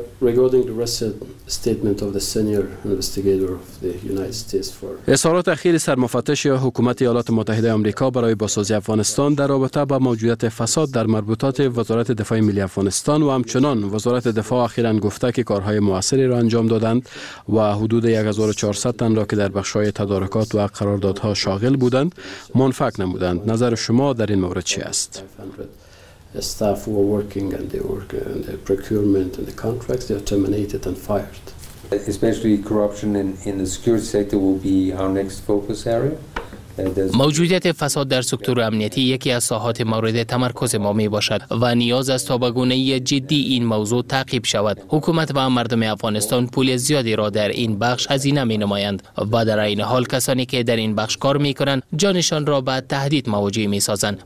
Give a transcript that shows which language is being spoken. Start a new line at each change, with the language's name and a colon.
English: Regarding the recent statement of the senior investigator of the United States for
Persian: اظهارات اخیر سرمفتش حکومت ایالات متحده آمریکا برای بازسازی افغانستان در رابطه با موجودیت فساد در مربوطات وزارت دفاع ملی افغانستان و همچنان وزارت دفاع اخیرا گفته که کارهای موثری را انجام دادند و حدود 1400 تن را که در بخش‌های تدارکات و قراردادها شاغل بودند منفع نمودند. نظر شما در این مورد چی است؟
English: staff who are working and they work in the procurement and the contracts, they are terminated and fired. Especially corruption in the security sector will be our next focus area.
Persian: موجودیت فساد در سکتور امنیتی یکی از ساحات مورد تمرکز ما می باشد و نیاز است تا به گونه جدی این موضوع تعقیب شود. حکومت و مردم افغانستان پول زیادی را در این بخش هزینه می نمایند و در این حال کسانی که در این بخش کار می کنند جانشان را به تهدید مواجه می سازند.